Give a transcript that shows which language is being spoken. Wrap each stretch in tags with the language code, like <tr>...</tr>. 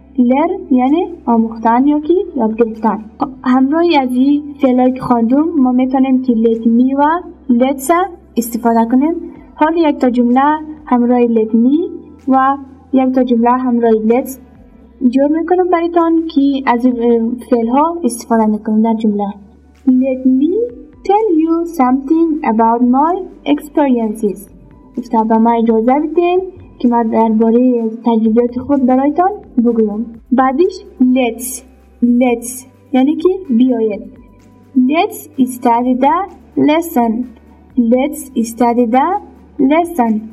<fa>Learn یعنی آموختن یا که یاد گرفتن. همراهی از این فعلایی که خواندم ما میتونیم که let me و let's استفاده کنیم. حال یک تا جمله همراهی let me و یک تا جمله همراهی let's جور میکنم براتون که از فعلها استفاده میکنم در جمله.</fa> <en>Let me tell you something about my experiences.</en> <fa>گفته به ما اجازه بدین که من درباره تجربیات خود براتون بگویم. بعدش let's. Let's یعنی که بیاید.</fa> <en>Let's study the lesson. Let's study the lesson.</en>